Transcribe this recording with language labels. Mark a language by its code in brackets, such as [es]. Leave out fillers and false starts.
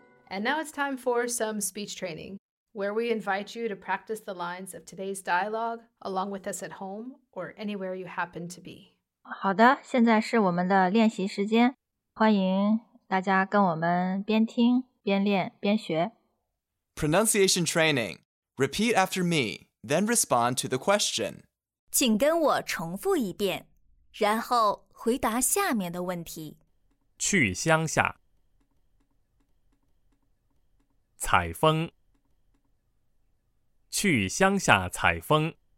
[en] And now it's time for some speech training, where we invite you to practice the lines of today's dialogue along with us at home or anywhere you happen to be. [zh] 好的，现在是我们的练习时间，欢迎大家跟我们边听边练边学。 [en] Pronunciation training. Repeat after me, then respond to the question. [zh] 请跟我重复一遍，然后回答下面的问题。去乡下。采风，去乡下采风。